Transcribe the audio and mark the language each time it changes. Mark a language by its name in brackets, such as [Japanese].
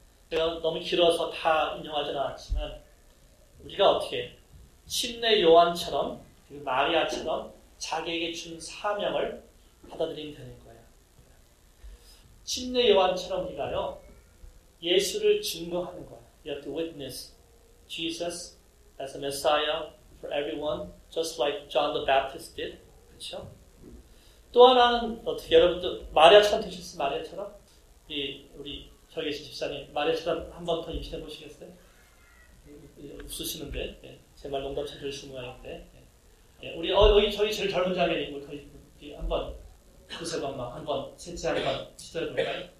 [Korean] 제가 너무 길어서 다 인용하지는 않았지만 우리가 어떻게 침례 요한처럼 그리고 마리아처럼 자기에게 준 사명을 받아들이면 되는 거예요. 침례 요한처럼 우리가요 예수를 증거하는 거야. [English] You have to witness. Jesus as a Messiah for everyone, just like John the Baptist did. [Korean] 그렇죠? 또 하나는 어떻게 여러분들 마리아처럼 되셨어요? 마리아처럼 우리 저기 계신 집사님 마리아처럼 한 번 더 임신해 보시겠어요? 웃으시는데 예. 제 말 농담처럼 들으신 모양인데 예. 우리 여기 저희 제일 젊은 자매님 우리 한 번 두세 번만 한 번 셋째 한 번 시도해 볼까요?